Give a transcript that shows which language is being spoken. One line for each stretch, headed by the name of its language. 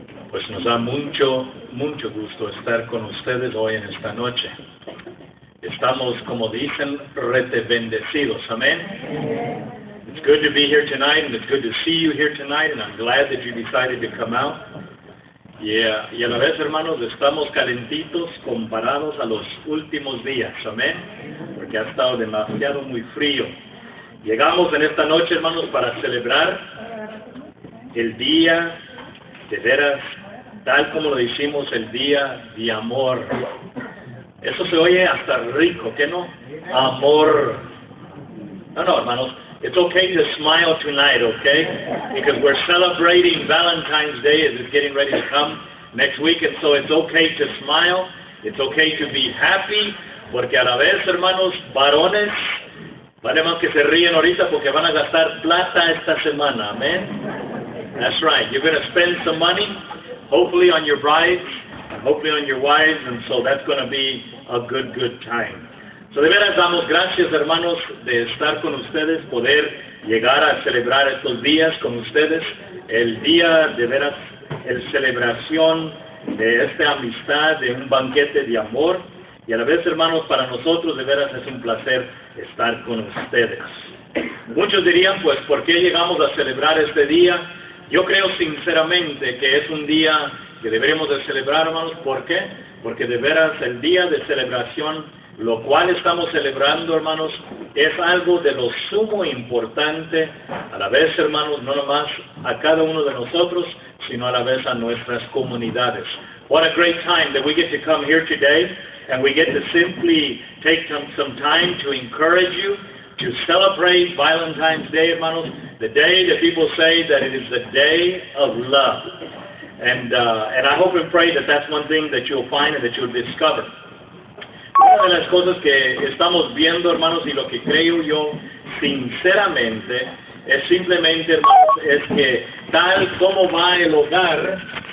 Spanish: Pues nos da mucho, mucho gusto estar con ustedes hoy en esta noche. Estamos, como dicen, retebendecidos. Amén.
English: It's good to be here tonight, and it's good to see you here tonight, and I'm glad that you decided to come out. Yeah.
Spanish: Y a la vez, hermanos, estamos calentitos comparados a los últimos días. Amén. Porque ha estado demasiado muy frío. Llegamos en esta noche, hermanos, para celebrar el día de veras, tal como lo decimos, el día de amor. Eso se oye hasta rico, ¿qué no? Amor. No, hermanos,
English: it's okay to smile tonight, okay? Because we're celebrating Valentine's Day as it's getting ready to come next week, and so it's okay to smile, it's okay to be happy,
Spanish: porque a la vez, hermanos, varones, vale más que se ríen ahorita porque van a gastar plata esta semana, amén.
English: That's right, you're going to spend some money, hopefully on your brides, hopefully on your wives, and so that's going to be a good, good time.
Spanish: So de veras damos gracias, hermanos, de estar con ustedes, poder llegar a celebrar estos días con ustedes, el día de veras, el celebración de esta amistad, de un banquete de amor, y a la vez, hermanos, para nosotros de veras es un placer estar con ustedes. Muchos dirían, pues, ¿por qué llegamos a celebrar este día? Yo creo sinceramente que es un día que deberíamos de celebrar, hermanos. ¿Por qué? Porque de veras el día de celebración, lo cual estamos celebrando, hermanos, es algo de lo sumo importante a la vez, hermanos, no nomás a cada uno de nosotros, sino a la vez a nuestras comunidades.
English: What a great time that we get to come here today and we get to simply take some time to encourage you to celebrate Valentine's Day, hermanos. The day that people say that it is the day of love. And I hope and pray that that's one thing that you'll find and that you'll discover.
Spanish: Una de las cosas que estamos viendo, hermanos, y lo que creo yo sinceramente, es simplemente, hermanos, es que tal como va el hogar,